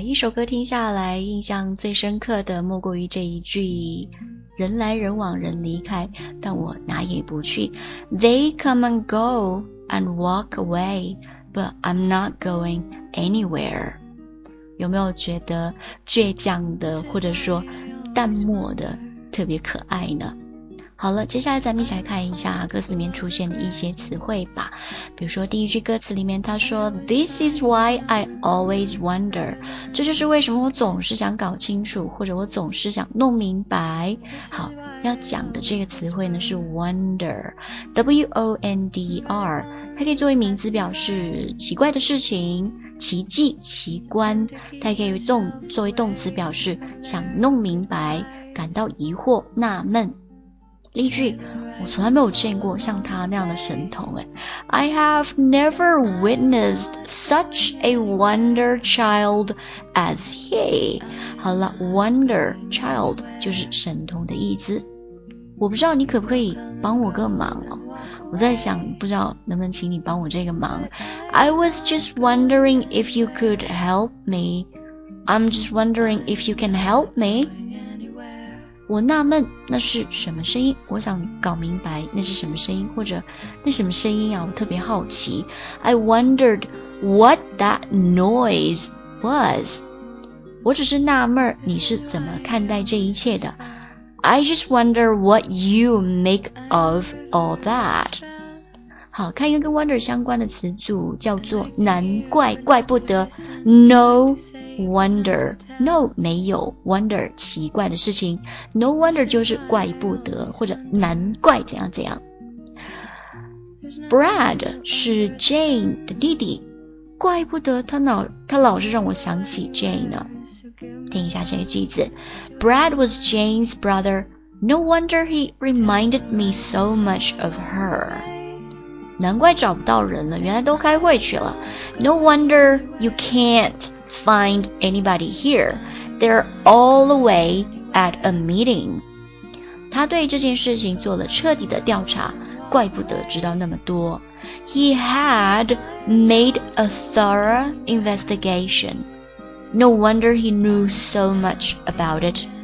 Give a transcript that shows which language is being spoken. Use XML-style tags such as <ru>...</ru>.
<zh>一首歌听下来，印象最深刻的莫过于这一句，人来人往人离开，但我哪也不去。</zh> <en>They come and go and walk away, but I'm not going anywhere.</en> <zh>有没有觉得倔强的或者说淡漠的特别可爱呢？好了，接下来咱们一起来看一下歌词里面出现的一些词汇吧。比如说第一句歌词里面他说</zh> <en>This is why I always wonder，</en> <zh>这就是为什么我总是想搞清楚，或者我总是想弄明白。好，要讲的这个词汇呢是 wonder， W-O-N-D-R， 它可以作为名词表示奇怪的事情、奇迹、奇观，它也可以作为动词表示想弄明白、感到疑惑纳闷。例句，我从来没有见过像他那样的神童。</zh> <en>I have never witnessed such a wonder child as he.</en> <zh>好了， wonder child 就是神童的意思。我不知道你可不可以帮我个忙，我在想不知道能不能请你帮我这个忙。</zh> <en>I was just wondering if you could help me. I'm just wondering if you can help me.</en> <zh>我纳闷那是什么声音，我想搞明白那是什么声音，或者那什么声音啊，我特别好奇。</zh> <en>I wondered what that noise was.</en> <zh>我只是纳闷你是怎么看待这一切的。</zh> <en>I just wonder what you make of all that.</en> <zh>好，看一个跟 wonder 相关的词组，叫做难怪，怪不得。 NoWonder, no 没有 wonder 奇怪的事情， no wonder 就是怪不得或者难怪怎样怎样。 Brad 是 Jane 的弟弟，怪不得他老是让我想起 Jane 呢。听一下这个句子，</zh> <en>Brad was Jane's brother, no wonder he reminded me so much of her.</en> <zh>难怪找不到人了，原来都开会去了。</zh> <en>No wonder you can't find anybody here. They're all away at a meeting.</en> <zh>他对这件事情做了彻底的调查，怪不得知道那么多。</zh> <en>He had made a thorough investigation. No wonder he knew so much about it.</en>